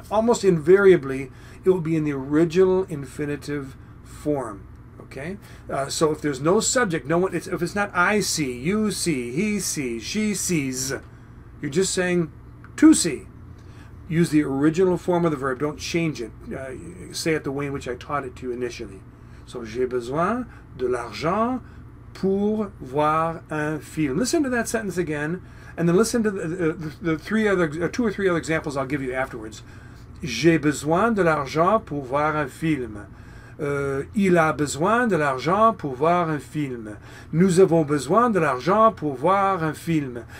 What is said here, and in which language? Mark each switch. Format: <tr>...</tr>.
<en>Almost invariably, it will be in the original infinitive form. Okay? So if there's no subject, no one, if it's not I see, you see, he sees, she sees, you're just saying to see. Use the original form of the verb. Don't change it. Say it the way in which I taught it to you initially.</en> <fr>So, j'ai besoin de l'argent pour voir un film.</fr> <en>Listen to that sentence again, and then listen to the two or three other examples I'll give you afterwards.</en> <fr>J'ai besoin de l'argent pour voir un film. Il a besoin de l'argent pour voir un film. Nous avons besoin de l'argent pour voir un film.</fr>